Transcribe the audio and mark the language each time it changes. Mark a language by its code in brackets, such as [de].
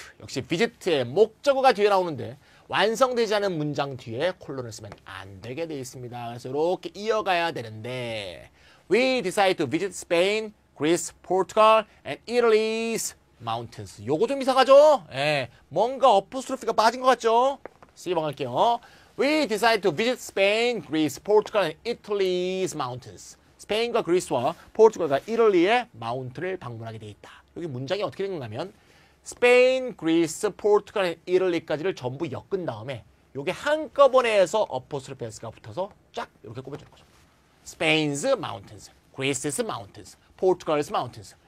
[ko] 역시 visit의 목적어가 뒤에 나오는데 완성되지 않은 문장 뒤에 콜론을 쓰면 안 되게 돼 있습니다. 그래서 이렇게 이어가야 되는데 [en] We decide to visit Spain, Greece, Portugal, and Italy's Mountains. [ko] 요거 좀 이상하죠? 예. 뭔가 어퍼스트로피가 빠진 것 같죠? C번 할게요. [en] We decide to visit Spain, Greece, Portugal, and Italy's mountains. [ko] 스페인과 그리스와 포르투갈과 이탈리아의 마운트를 방문하게 돼 있다. 여기 문장이 어떻게 된 거냐면, Spain, Greece, Portugal, and Italy까지를 전부 엮은 다음에, 요게 한꺼번에 해서 어퍼스트로피가 붙어서 쫙 이렇게 꼽아주는 거죠. [en] Spain's mountains, Greece's mountains, Portugal's mountains.